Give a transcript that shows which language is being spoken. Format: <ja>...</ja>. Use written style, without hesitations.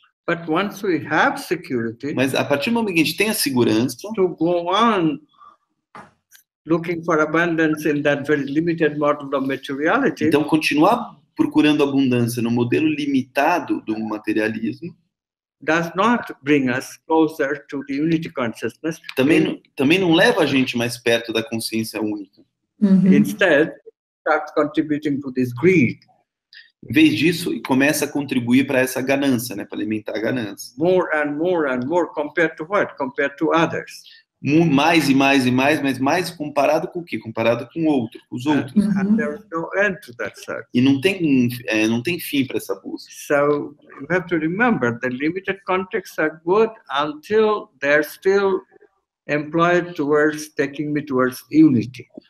<en>But once we have security,</en> <pt>mas a partir do momento que a gente tem a segurança,</pt> <en>to go on looking for abundance in that very limited model of materiality,</en> <pt>então continuar procurando abundância no modelo limitado do materialismo,</pt> <en>does not bring us closer to the unity consciousness.</en> <pt>Também não leva a gente mais perto da consciência única.</pt> <en>Uh-huh. Instead, starts contributing to this greed.</en> <pt>Em vez disso, e começa a contribuir para essa ganância, né, para alimentar a ganância.</pt> <en>More and more and more compared to what? Compared to others.</en> <pt>Mais e mais e mais, mas mais comparado com o quê? Comparado com o outro, com os outros.</pt> <en>And there is no end to that search.</en> <pt>E não tem fim para essa busca.</pt> <en>So you have to remember the limited contexts are good until they're still employed towards taking me towards unity.</en>